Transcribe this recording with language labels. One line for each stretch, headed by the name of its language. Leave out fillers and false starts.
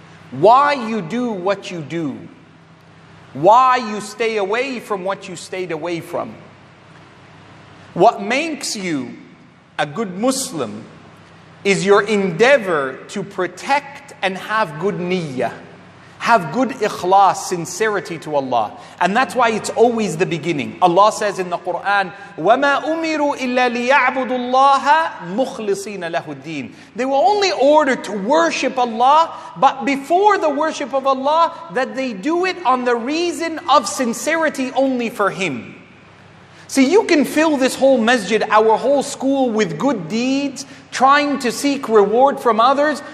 English: Why you do what you do. Why you stay away from what you stayed away from. What makes you a good Muslim is your endeavor to protect and have good niyyah. Have good ikhlas, sincerity to Allah. And that's why it's always the beginning. Allah says in the Quran,
Arabic: وَمَا أُمِرُوا إِلَّا لِيَعْبُدُ اللَّهَ مُخْلِصِينَ لَهُ الدِّينَ.
English: They were only ordered to worship Allah, but before the worship of Allah, that they do it on the reason of sincerity only for Him. See, you can fill this whole masjid, our whole school, with good deeds, trying to seek reward from others.